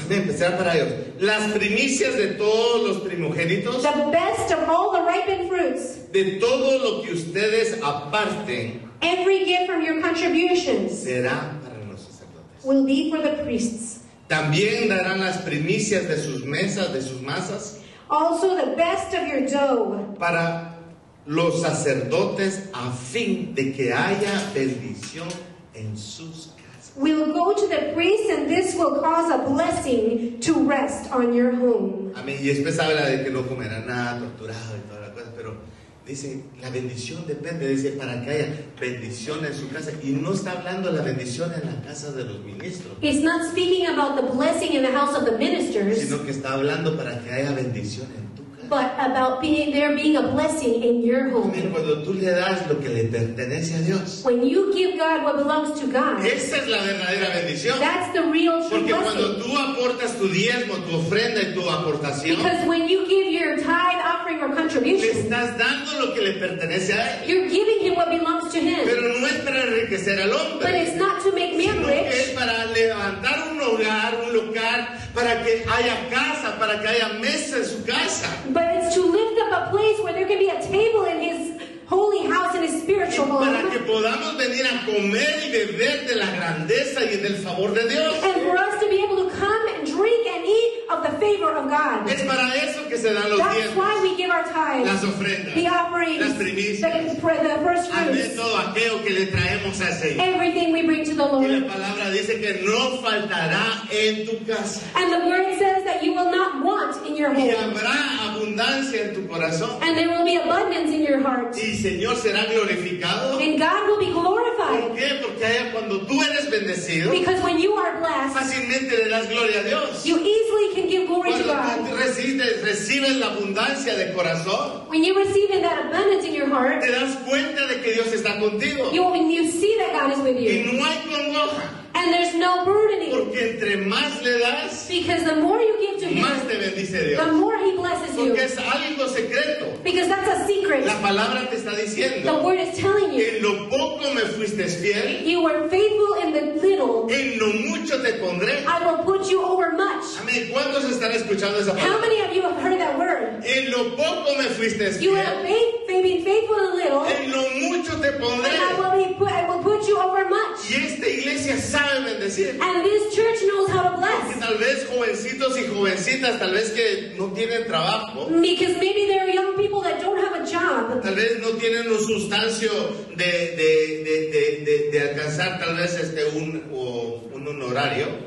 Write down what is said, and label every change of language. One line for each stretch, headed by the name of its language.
Spanish: Amén, pues será para ellos. Las primicias de todos los primogénitos.
English: The best of all the ripened fruits.
Spanish: De todo lo que ustedes aparten.
English: Every gift from your contributions.
Spanish: Será para los sacerdotes.
English: Will be for the priests.
Spanish: También darán las primicias de sus mesas, de sus masas.
English: Also the best of your dough.
Spanish: Para los sacerdotes a fin de que haya bendición en sus casas.
English: Will go to the priest and this will cause a blessing to rest on your home.
Spanish: Amén. Y después habla de que no comerá nada, torturado y toda la cosa, pero dice, la bendición depende, dice, para que haya bendición en su casa. Y no está hablando la bendición en la casa de los ministros.
English: It's not speaking about the blessing in the house of the ministers.
Spanish: Sino que está hablando para que haya bendición en tu casa.
English: But about being, there being a blessing in your home.
Spanish: Amén. Cuando tú le das lo que le pertenece a Dios.
English: When you give God what belongs to God.
Spanish: Esa es la verdadera bendición.
English: That's the real true
Spanish: porque
English: blessing.
Spanish: Porque cuando tú aportas tu diezmo, tu ofrenda y tu aportación.
English: Because when you give your tithe, offering, or contribution.
Spanish: Le estás dando lo que le pertenece a él.
English: You're giving him what belongs to him.
Spanish: Pero no es para enriquecer al hombre.
English: But it's not to make man rich.
Spanish: Sino que es para levantar un hogar, un local, para que haya casa, para que haya mesa en su casa.
English: But it's to lift up a place where there can be a table in his holy house, in his spiritual home.
Spanish: Para que podamos venir a comer y beber de la grandeza y del favor de Dios.
English: And for us to be able to come and drink and eat of the favor of God.
Spanish: Es para eso que se dan los
English: That's
Spanish: tiempos.
English: Why we give our tithes.
Spanish: Las ofrendas.
English: The offerings.
Spanish: Las primicias.
English: The first fruits.
Spanish: Todo aquello que le traemos al Señor.
English: Everything we bring to the Lord.
Spanish: Y la palabra dice que no faltará en tu casa.
English: And the word says that you will not want in your home.
Spanish: Y habrá abundancia en tu corazón.
English: And there will be abundance in your heart.
Spanish: Y Señor será glorificado.
English: And God will be glorified.
Spanish: ¿Por qué? Porque cuando tú eres bendecido,
English: because when you are blessed,
Spanish: fácilmente le das gloria a Dios.
English: You easily can give glory
Spanish: cuando
English: to God.
Spanish: Cuando tú recibes la abundancia de corazón,
English: when you receive that abundance in your heart,
Spanish: te das cuenta de que Dios está contigo.
English: You, when you see that God is with you.
Spanish: Y no hay congoja.
English: And there's no burdening.
Spanish: Porque entre más le das,
English: because the more you give to him,
Spanish: más te bendice Dios.
English: The more he blesses you.
Spanish: Porque es algo secreto.
English: Because that's a secret.
Spanish: La palabra te está diciendo.
English: The word is telling you.
Spanish: En lo poco me fuiste fiel.
English: You were faithful in the little.
Spanish: En lo mucho te pondré.
English: I will put you over much.
Spanish: Amén. ¿Cuántos están escuchando esa palabra?
English: How many of you have heard that word?
Spanish: En lo poco me fuiste fiel.
English: You have been faithful in little.
Spanish: En lo mucho te pondré.
English: I will put you over much.
Spanish: Y esta iglesia sabe.
English: And this church knows how to bless.
Spanish: Porque tal vez jovencitos y jovencitas, tal vez que no tienen trabajo.
English: Because maybe there are young people that don't have a job.
Spanish: Tal vez no tienen un sustancio de alcanzar tal vez un horario.